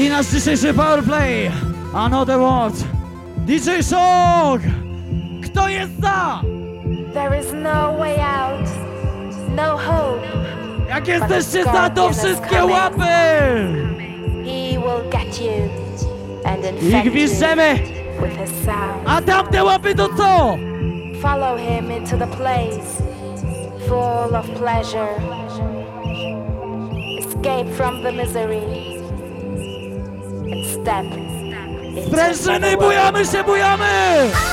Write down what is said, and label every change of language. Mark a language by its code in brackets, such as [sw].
[pl] Dzisiejszy powerplay, [en] another one, [pl] DJ Shock, kto jest za? [en] There is no way out, no hope. [pl] Jak jesteście za to, wszystkie łapy! [en] He will get you and infect you. [pl] I gwizdzemy! A tamte łapy to co? [en] Follow him into the place full of pleasure. Escape from the misery and step. [pl] Sprężyny, bujamy się, bujamy!